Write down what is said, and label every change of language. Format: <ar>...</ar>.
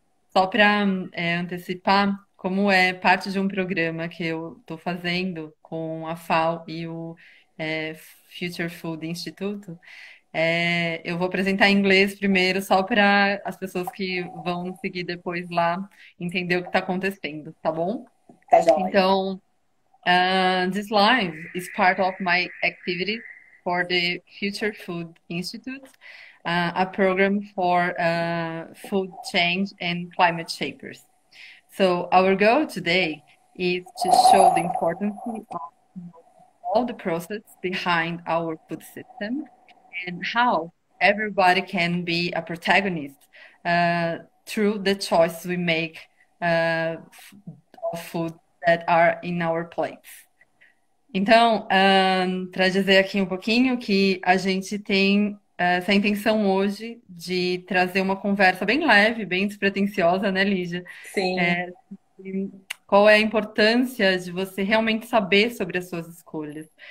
<pt>Só para antecipar, como é parte de um programa que eu estou fazendo com a FAO e o Future Food Institute, eu vou apresentar em inglês primeiro, só para as pessoas que vão seguir depois lá entender o que está acontecendo, tá bom? Tá joia. Então,</pt> <en>this live is part of my activities for the Future Food Institute. A program for food change and climate shapers. So our goal today is to show the importance of all the process behind our food system and how everybody can be a protagonist through the choice we make of food that are in our plates.</en> <pt>Então, para dizer aqui um pouquinho que a gente tem essa intenção hoje de trazer uma conversa bem leve, bem despretensiosa, né, Lígia? Sim. Qual é a importância de você realmente saber sobre as suas escolhas?</pt>